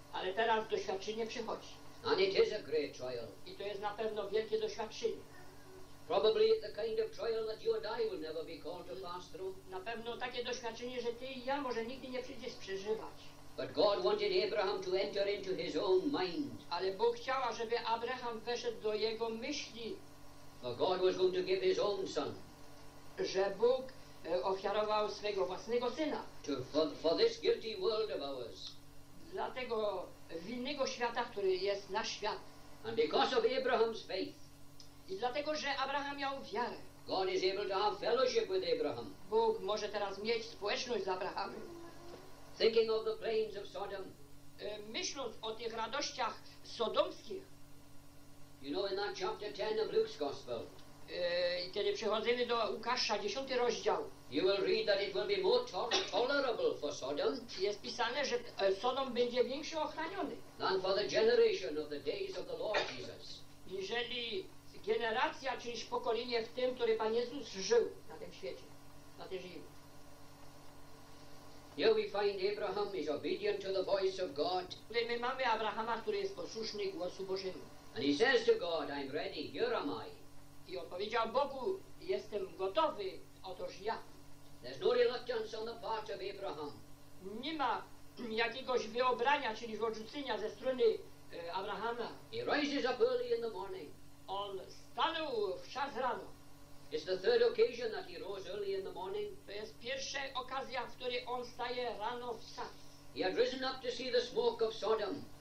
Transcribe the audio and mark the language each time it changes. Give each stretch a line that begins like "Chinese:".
Polish: Ale teraz doświadczenie przychodzi.
English: And it is a great trial.
Polish: I to jest na pewno wielkie doświadczenie.
English: Probably the kind of trial that you and I will never be called to pass through.
Polish: Na pewno takie doświadczenie, że ty i ja może nigdy nie przyjdziesz przeżywać.
English: But God wanted Abraham to enter into his own mind.
Polish: Ale Bóg chciał, żeby Abraham weszedł do jego myśli.
English: For God was going to give his own son.
Polish: Że Bóg ofiarował swego własnego syna.
English: For this guilty world of ours.
Polish: Dla tego winnego świata, który jest nasz świat.
English: And because of Abraham's faith.
Polish: I dlatego, że Abraham miał wiarę.
English: God is able to have fellowship with Abraham.
Polish: Bóg może teraz mieć społeczność z Abrahamem.
English: Thinking of the plains of Sodom.
Polish: Myśląc o tych radościach sodomskich.
English: You know, in that chapter 10 of Luke's Gospel.
Polish: Kiedy przechodzimy do Łukasza, 10 rozdział.
English: You will read that it will be more tolerable for Sodom.
Polish: Jest pisane, że Sodom będzie większy ochroniony.
English: Than for the generation of the days of the Lord Jesus.
Polish: Jeżeli generacja, czyli pokolenie w tym, który Pan Jezus żył na tym świecie, na tej ziemi.
English: Here we find Abraham is obedient to the voice of God.
Polish: Tutaj my mamy Abrahama, który jest posłuszny głosu Bożemu.
English: And he says to God, I'm ready, here am I.
Polish: I odpowiedział Bogu, jestem gotowy, otoż ja.
English: There's no reluctance on the part of Abraham.
Polish: Nie ma jakiegoś wyobrania, czyli odrzucenia ze strony Abrahama.
English: He rises up early in the morning.
Polish: On stanął w czas rano.
English: It's the third occasion that he rose early in the morning.
Polish: To jest pierwsza okazja, w której on staje rano w czas.
English: He had risen up to see the smoke of Sodom.